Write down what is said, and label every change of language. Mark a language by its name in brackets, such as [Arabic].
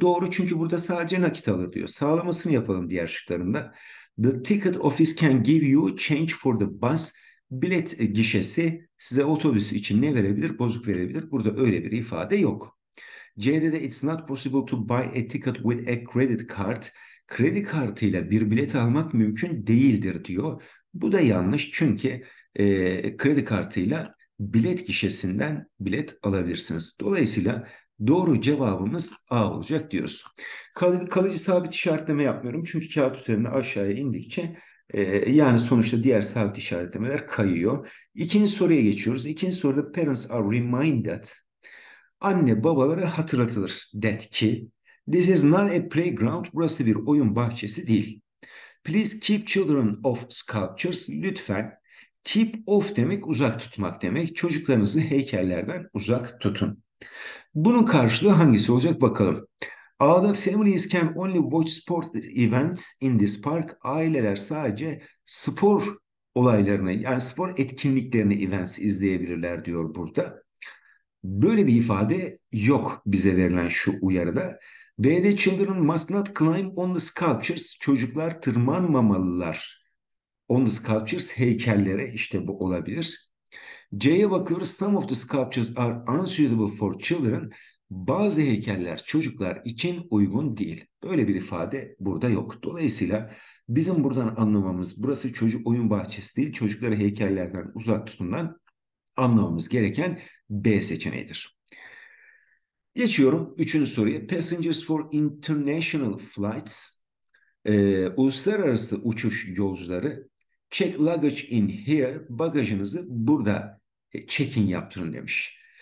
[Turkish] Doğru, çünkü burada sadece nakit alır diyor. Sağlamasını yapalım diğer şıklarında. [English] The ticket office can give you change for the bus. [Turkish] Bilet gişesi size otobüs için ne verebilir? Bozuk verebilir. Burada öyle bir ifade yok. [English] C'de de it's not possible to buy a ticket with a credit card. [Turkish] Kredi kartıyla bir bilet almak mümkün değildir diyor. Bu da yanlış, çünkü kredi kartıyla bilet gişesinden bilet alabilirsiniz. Dolayısıyla doğru cevabımız A olacak diyoruz. Kalıcı sabit işaretleme yapmıyorum, çünkü kağıt üzerinde aşağıya indikçe yani sonuçta diğer sabit işaretlemeler kayıyor. İkinci soruya geçiyoruz. İkinci soruda [English] parents are reminded. [Turkish] Anne babalara hatırlatılır [English] that ki this is not a playground. [Turkish] Burası bir oyun bahçesi değil. [English] Please keep children off sculptures. [Turkish] Lütfen, keep off demek uzak tutmak demek. Çocuklarınızı heykellerden uzak tutun. Bunun karşılığı hangisi olacak bakalım. [English] A'da families can only watch sport events in this park. [Turkish] Aileler sadece spor olaylarını, yani spor etkinliklerini, events izleyebilirler diyor burada. Böyle bir ifade yok bize verilen şu uyarıda. [English] B'de children must not climb on the sculptures. [Turkish] Çocuklar tırmanmamalılar. [English] On the sculptures, [Turkish] heykellere, işte bu olabilir. C'ye bakıyoruz. [English] Some of the sculptures are unsuitable for children. [Turkish] Bazı heykeller çocuklar için uygun değil. Böyle bir ifade burada yok. Dolayısıyla bizim buradan anlamamız, burası çocuk oyun bahçesi değil, çocukları heykellerden uzak tutundan anlamamız gereken B seçeneğidir. Geçiyorum üçüncü soruya. [English] Passengers for international flights, [Turkish] uluslararası uçuş yolcuları, [English] check luggage in here, [Turkish] bagajınızı burada check-in yaptırın demiş.